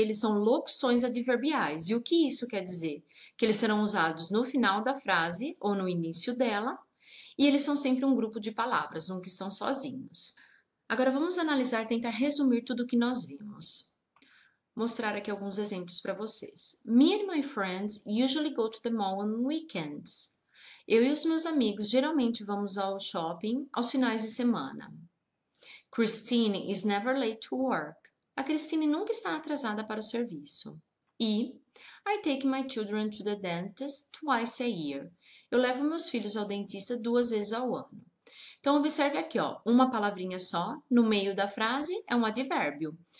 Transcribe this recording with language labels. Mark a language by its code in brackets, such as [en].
[pt] Eles são locuções adverbiais. E o que isso quer dizer? Que eles serão usados no final da frase ou no início dela. E eles são sempre um grupo de palavras, um que estão sozinhos. Agora vamos analisar, tentar resumir tudo o que nós vimos. Mostrar aqui alguns exemplos para vocês. [en] Me and my friends usually go to the mall on weekends. [pt] Eu e os meus amigos geralmente vamos ao shopping aos finais de semana. [en] Christine is never late to work. [pt] A Christine nunca está atrasada para o serviço. [en] E I take my children to the dentist twice a year. [pt] Eu levo meus filhos ao dentista duas vezes ao ano. Então, observe aqui, ó, uma palavrinha só no meio da frase é um advérbio.